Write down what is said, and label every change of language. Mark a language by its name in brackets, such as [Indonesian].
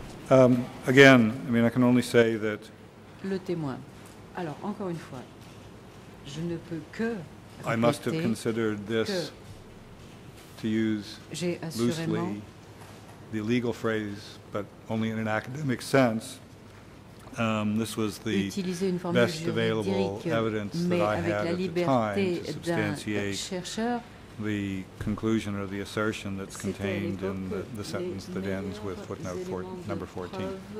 [English] Again, I mean, I can only say that. [French] Le témoin. Alors, encore une fois, je ne peux que. [English] I must have considered this, to use loosely the legal phrase, but only in an academic sense. This was the best available evidence that I had at the time to substantiate the conclusion or the assertion that's contained in the sentence that ends with footnote number 14.